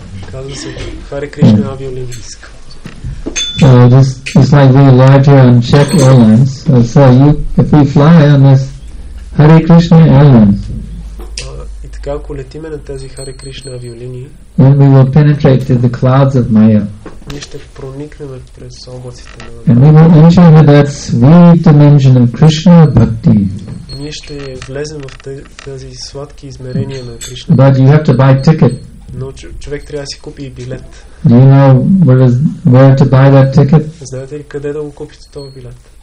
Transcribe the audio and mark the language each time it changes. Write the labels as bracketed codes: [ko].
[bg] Казва се Hare Krishna Avialinks. [en] This is like the larger on Czech Airlines. If we fly on this Hare Krishna Airlines. [bg] И така, ако летиме на тези Hare Krishna авиолинии, [en] then we will penetrate through the clouds of Maya. [bg] Ние ще проникнем през облаците на [en] Maya. And we will enter into that sweet dimension of Krishna Bhakti. [bg] Ние ще влезем в тези сладки измерения на Кришна. [en] But you have to buy ticket. [bg] Но човек трябва да си купи и билет. [en] Do you know where to buy that ticket? [bg] Знаете ли къде да го купите този билет?